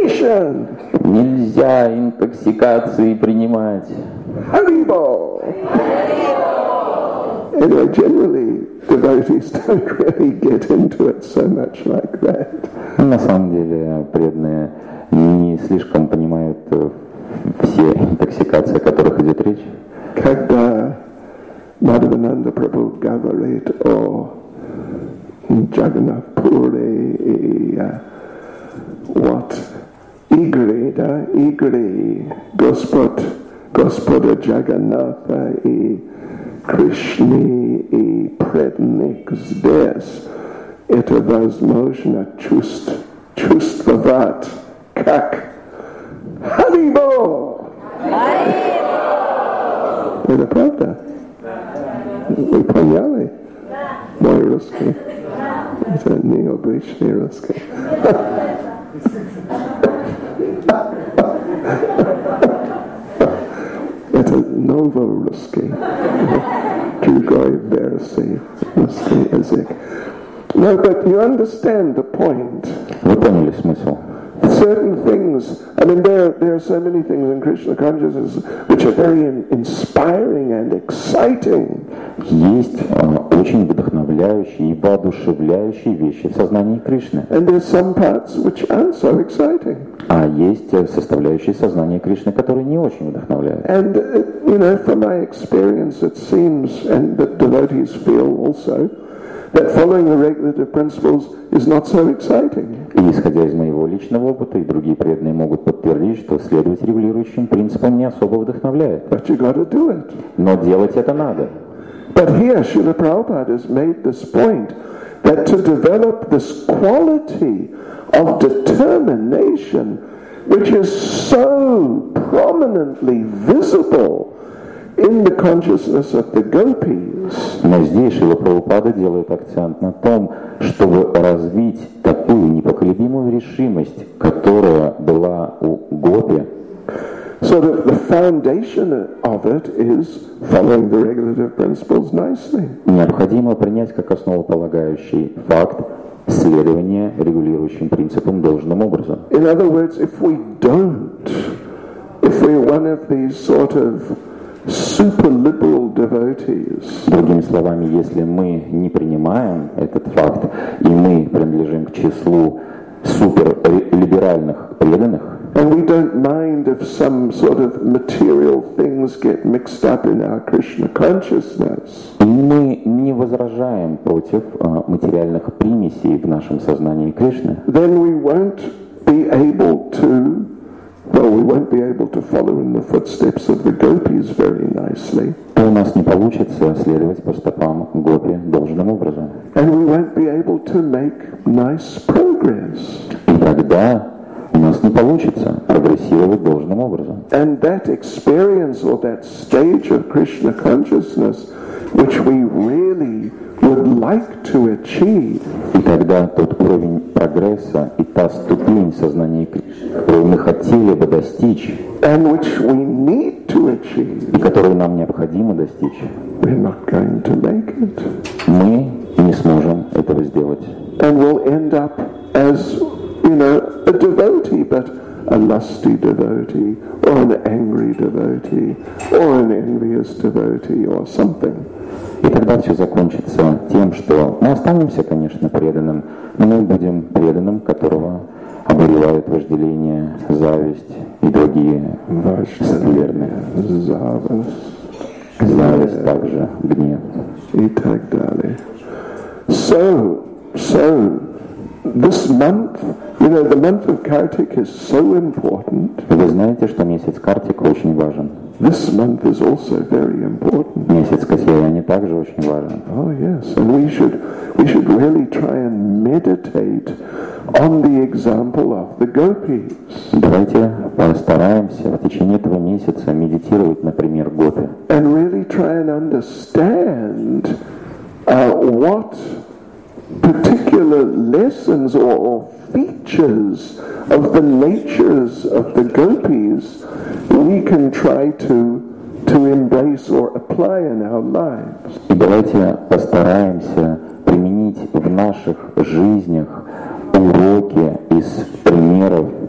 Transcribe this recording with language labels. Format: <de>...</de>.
<ru>Нельзя интоксикации принимать. Haribo!</ru> <en>Anyway, generally, devotees don't really get into it so much like that.</en> <ru>На самом деле, преданные не слишком понимают все интоксикации, о которых идет речь. Когда Madhavananda Prabhu говорит о Jagannath Puri и what игры, да, игры Господа Джаганнатха и Кришны и преданных здесь, это возможно чувствовать как Харибо! Харибо! Это правда? Вы поняли? Да. Мой русский. Да. Это необычный русский. Это новый русский. Другой версии русский язык.</ru> <en>No, but you understand the point.</en> <ru>Вы поняли смысл.</ru> <en>Certain things, I mean, there are so many things in Krishna consciousness which are very inspiring and exciting.</en> <ru>Есть очень вдохновляющие и воодушевляющие вещи в сознании Кришны.</ru> <en>And there are some parts which aren't so exciting.</en> <ru>А есть составляющие сознания Кришны, которые не очень вдохновляют.</ru> <en>And, you know, from my experience, it seems, and the devotees feel also, that following the regulative principles is not so exciting.</en> <ru>И исходя из моего личного опыта, и другие преданные могут подтвердить, что следовать регулирующим принципам не особо вдохновляет.</ru> <en>But you got to do it.</en> <ru>Но делать это надо.</ru> <en>But here Srila Prabhupada has made this point that to develop this quality of determination which is so prominently visible in the consciousness of the gopis.</en> <ru>Но здесь Шрила Прабхупада делает акцент на том, чтобы развить такую непоколебимую решимость, которая была у гопи.</ru> <en>So the foundation of it is following the regulative principles nicely.</en> <ru>Необходимо принять как основополагающий факт следование регулирующим принципам должным образом.</ru> <en>In other words, if we don't, if we're one of these sort of super liberal devotees.</en> <ru>Другими словами, если мы не принимаем этот факт и мы принадлежим к числу суперлиберальных преданных,</ru> <en>and we don't mind if some sort of material things get mixed up in our Krishna consciousness.</en> <ru>И мы не возражаем против материальных примесей в нашем сознании Кришны.</ru> <en>Then we won't be able to. Well, we won't be able to follow in the footsteps of the gopis very nicely.</en> <ru>У нас не получится следовать по стопам гопи должным образом.</ru> <en>And we won't be able to make nice progress.</en> <ru>И тогда у нас не получится прогрессировать должным образом.</ru> <en>And that experience or that stage of Krishna consciousness, which we really would like to achieve.</en> <ru>И тогда тот уровень прогресса и та ступень сознания Кришны, которую мы хотели бы достичь,</ru> <en>and which we need to achieve,</en> <ru>и которую нам необходимо достичь,</ru> <en>we're not going to make it.</en> <ru>Мы не сможем этого сделать.</ru> <en>And we'll end up as, you know, a devotee, but a lusty devotee, or an angry devotee, or an envious devotee, or something.</en> <ru>И тогда все закончится тем, что мы останемся, конечно, преданным, но мы будем преданным, которого обуревают вожделение, зависть и другие скверные. Зависть. Зависть также, гнев. И так далее.</ru> <en>So, this month, you know, the month of Kartik is so important.</en> <ru>Вы знаете, что месяц Картик очень важен.</ru> <en>This month is also very important.</en> <ru>Месяц Касьяяни также очень важен.</ru> <en>Oh yes, and we should really try and meditate on the example of the gopis.</en> <ru>Давайте постараемся в течение этого месяца медитировать, например, гопи.</ru> <en>And really try and understand what particular lessons or features of the natures of the gopis we can try to embrace or apply in our lives.</en> <ru>И давайте постараемся применить в наших жизнях уроки из примеров</ru>